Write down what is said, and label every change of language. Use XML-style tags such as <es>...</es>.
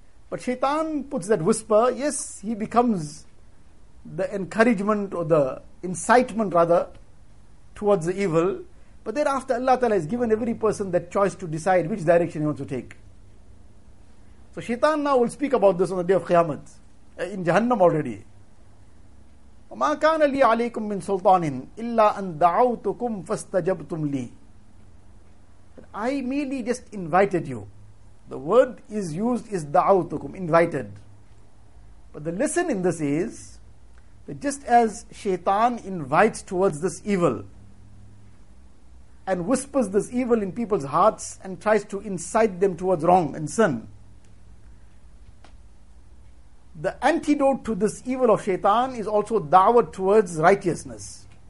<en>But Shaitan puts that whisper. Yes, he becomes the encouragement or the incitement rather towards the evil. But thereafter Allah Ta'ala has given every person that choice to decide which direction he wants to take. So Shaitan now will speak about this on the day of Qiyamah, in Jahannam already.</en> <ar>وَمَا كَانَ لِي عَلَيْكُم مِّن سُلْطَانٍ إِلَّا أَن دَعَوْتُكُمْ فَاسْتَجَبْتُمْ لِي</ar> <en>I merely just invited you. The word is used is دَعَوْتُكُمْ, invited. But the lesson in this is, that just as Shaitan invites towards this evil, and whispers this evil in people's hearts, and tries to incite them towards wrong and sin, the antidote to this evil of Shaitan is also da'wah towards righteousness.</en>